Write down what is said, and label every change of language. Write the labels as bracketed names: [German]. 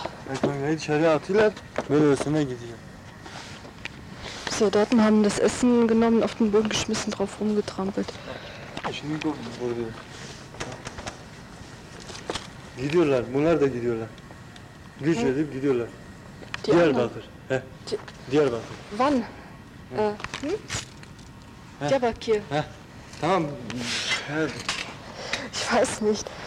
[Turkish] Ekmekleri dışarıya atıyorlar, böyle üstüne gidiyor. [German] Soldaten haben das Essen genommen, auf den Boden geschmissen, drauf rumgetrampelt. [Turkish] Şimdi burada. Gidiyorlar, bunlar da gidiyorlar. Güç edip gidiyorlar. Diyarbakır. Diyarbakır. [German] Wann? [Turkish] Diyarbakır. Tamam. [German] Ich weiß nicht.